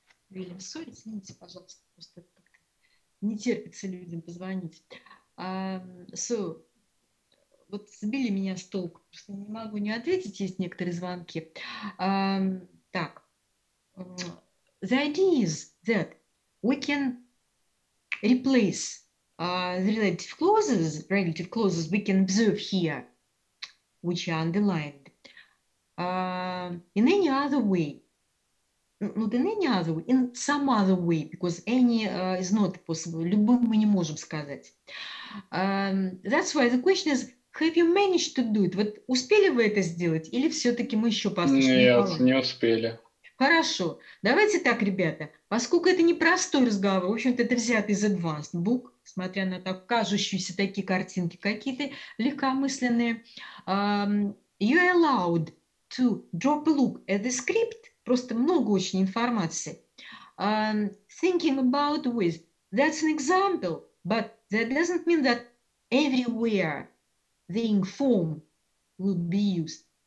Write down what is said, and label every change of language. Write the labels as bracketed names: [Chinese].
[Russian] Вильям, сори, извините, пожалуйста, просто не терпится людям позвонить. So, вот сбили меня с толку, просто не могу не ответить, есть некоторые звонки. [English] Так, the idea is that we can replace the relative clauses we can observe here, which are underlined, in any other way. Not in any other way, in some other way, because any is not possible. [Russian] Любым мы не можем сказать. [English] That's why the question is, have you managed to do it? [Russian] Вот успели вы это сделать, или все-таки мы еще послушаем? Нет, не успели. Хорошо. Давайте так, ребята, поскольку это не простой разговор, в общем-то, это взято из [English] advanced book, [Russian] смотря на так кажущиеся такие картинки какие-то легкомысленные. [English] You are allowed to drop a look at the script. [Russian] Просто много очень информации. [English] Thinking about with. That's an example, but that doesn't mean that everywhere the ing form would be used.